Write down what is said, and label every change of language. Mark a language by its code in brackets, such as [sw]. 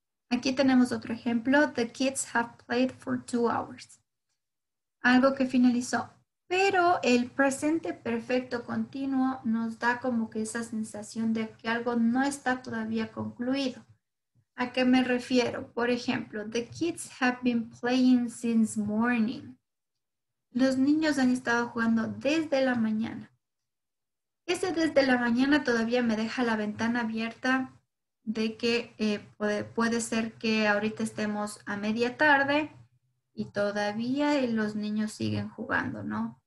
[es] Aquí tenemos otro ejemplo. [en] The kids have played for 2 hours. [es] Algo que finalizó. Pero el presente perfecto continuo nos da como que esa sensación de que algo no está todavía concluido. ¿A qué me refiero? Por ejemplo, [en] the kids have been playing since morning. [es] Los niños han estado jugando desde la mañana. Ese desde la mañana todavía me deja la ventana abierta de que puede ser que ahorita estemos a media tarde y todavía los niños siguen jugando, ¿no?